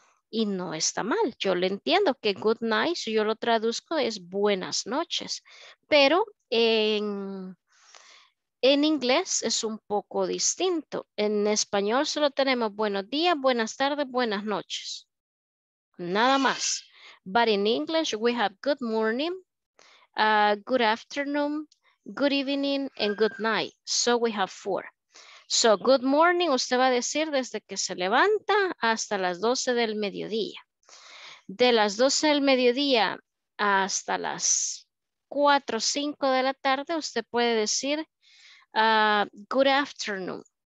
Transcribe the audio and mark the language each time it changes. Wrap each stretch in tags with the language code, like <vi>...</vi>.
<es>Y no está mal, yo le entiendo que good night, si yo lo traduzco es buenas noches. Pero en inglés es un poco distinto. En español solo tenemos buenos días, buenas tardes, buenas noches. Nada más.</es> <en>But in English we have good morning, good afternoon, good evening, and good night. So we have four.</en> <es>So, good morning, usted va a decir desde que se levanta hasta las 12 del mediodía. De las 12 del mediodía hasta las 4 o 5 de la tarde, usted puede decir good afternoon.</es>